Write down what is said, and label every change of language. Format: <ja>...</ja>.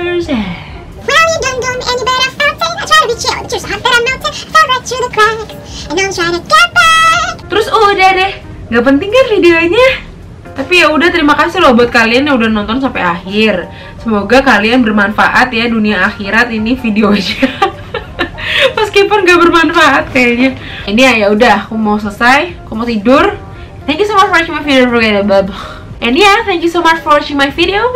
<en>Well, you don't go any better off melting. I try to be chill, but you're so hot that I'm melting. Fell right through the cracks and I'm trying to get back.</en> <id>Terus udah deh, gak penting kan videonya. Tapi ya udah, terima kasih loh buat kalian yang udah nonton sampai akhir. Semoga kalian bermanfaat ya, dunia akhirat ini videonya. Meskipun gak bermanfaat kayaknya. Ini ya udah, aku mau selesai, aku mau tidur.</id> <en>Thank you so much for watching my video, forget the bub. And yeah, thank you so much for watching my video.</en>